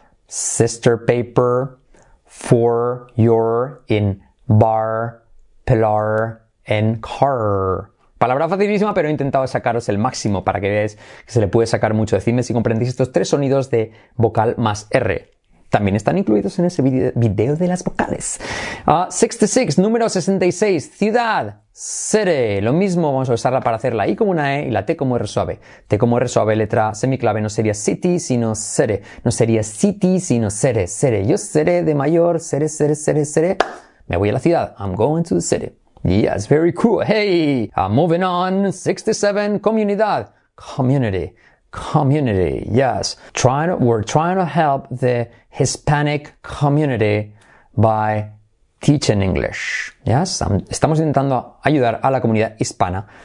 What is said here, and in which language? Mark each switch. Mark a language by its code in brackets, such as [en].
[en] Sister, paper, for, your, in, bar, pilar, and car. [es] Palabra facilísima, pero he intentado sacaros el máximo para que veáis que se le puede sacar mucho. Decidme si comprendéis estos tres sonidos de vocal más R. También están incluidos en ese video de las vocales. 66, número 66, ciudad, city. Lo mismo, vamos a usarla para hacer la I como una E y la T como R suave. T como R suave, letra semiclave, no sería city, sino city. No sería city, sino city, city. Yo seré de mayor, seré, seré, seré, seré. Me voy a la ciudad. [en] I'm going to the city. Yes, very cool. Hey, I'm moving on. 67, comunidad. Community. Community, yes. We're trying to help the Hispanic community by teaching English. [es] Yes, estamos intentando ayudar a la comunidad hispana.